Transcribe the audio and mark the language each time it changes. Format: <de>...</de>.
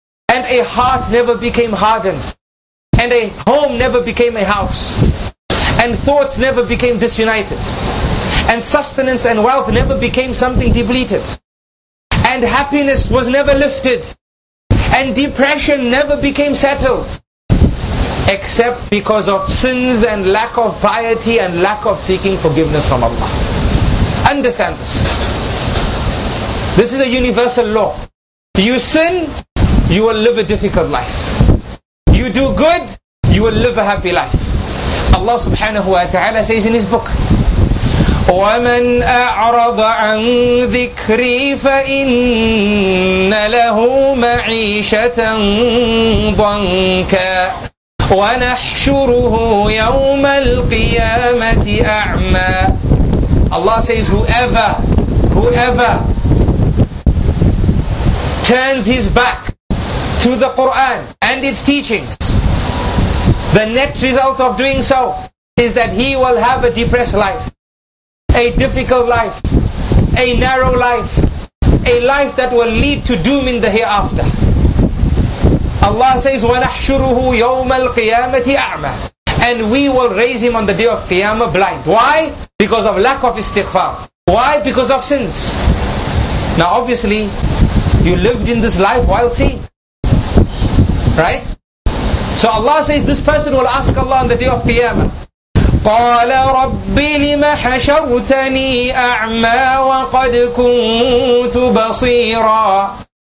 <en>and a heart never became hardened, and a home never became a house, and thoughts never became disunited, and sustenance and wealth never became something depleted, and happiness was never lifted, and depression never became settled, except because of sins and lack of piety and lack of seeking forgiveness from Allah. Understand this. This is a universal law. You sin, you will live a difficult life. You do good, you will live a happy life. Allah subhanahu wa ta'ala says in his book,</en> <ar>وَمَنْ أَعْرَضَ عَنْ ذِكْرِي فَإِنَّ لَهُ مَعِيشَةً ضَنْكَى وَنَحْشُرُهُ يَوْمَ الْقِيَامَةِ أَعْمَى.</ar> <en>Allah says, whoever turns his back to the Quran and its teachings, the net result of doing so is that he will have a depressed life, a difficult life, a narrow life, a life that will lead to doom in the hereafter. Allah says,</en> <ar>وَنَحْشُرُهُ يَوْمَ الْقِيَامَةِ أَعْمَى.</ar> <en>And we will raise him on the day of Qiyamah blind. Why? Because of lack of istighfar. Why? Because of sins. Now obviously, you lived in this life while seeing. Right? So Allah says, this person will ask Allah on the day of Qiyamah,</en> <ar>قَالَ رَبِّ لِمَ حَشَرْتَنِي أَعْمَى وَقَدْ كُنْتُ بَصِيرًا.</ar>